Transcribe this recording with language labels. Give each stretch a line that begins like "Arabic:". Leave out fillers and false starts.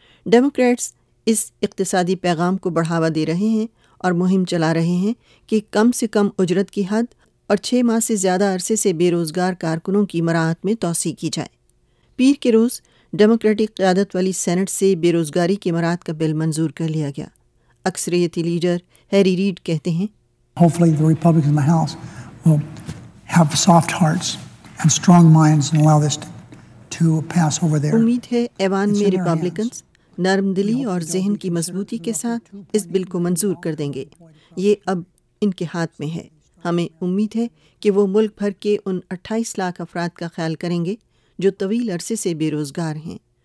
Urdu: Democrats اس اقتصادی پیغام کو بڑھاوا دے رہے ہیں اور مہم چلا رہے ہیں کہ کم سے کم اجرت کی حد اور 6 ماہ سے زیادہ عرصے سے بے روزگار کارکنوں کی مراعات میں توسیع کی جائے۔ پیر کے روز ڈیموکریٹک قیادت والی سینٹ سے بے روزگاری کی مراعات کا بل منظور کر لیا گیا۔ اکثریتی لیڈر ہیری ریڈ کہتے ہیں
English: Hopefully the Republicans in the House will have soft hearts and strong minds and allow this to pass over there.
Urdu: امید ہے ایوان میں ریپبلکنز نرم دلی اور ذہن کی مضبوطی کے ساتھ اس بل کو منظور کر دیں گے، یہ اب ان کے ہاتھ میں ہے۔ ہمیں امید ہے کہ وہ ملک بھر کے ان 28 لاکھ افراد کا خیال کریں گے جو طویل عرصے سے بے روزگار ہیں۔